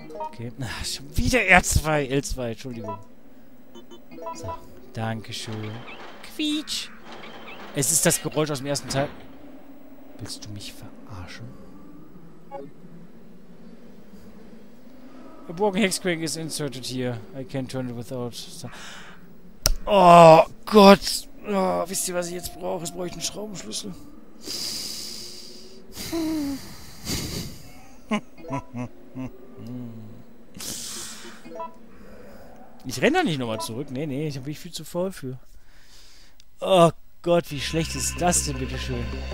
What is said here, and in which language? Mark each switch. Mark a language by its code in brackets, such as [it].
[de] Okay. Ach, schon wieder R2, L2, Entschuldigung. So, Dankeschön. Quietsch. Es ist das Geräusch aus dem ersten Teil. Willst du mich verarschen? [en] A broken hex crank is inserted here. I can't turn it without... [de] Oh Gott. Oh, wisst ihr, was ich jetzt brauche? Jetzt brauche ich einen Schraubenschlüssel. Ich renne da nicht nochmal zurück. Nee, nee, ich bin viel zu voll für. Oh Gott, wie schlecht ist das denn, bitteschön.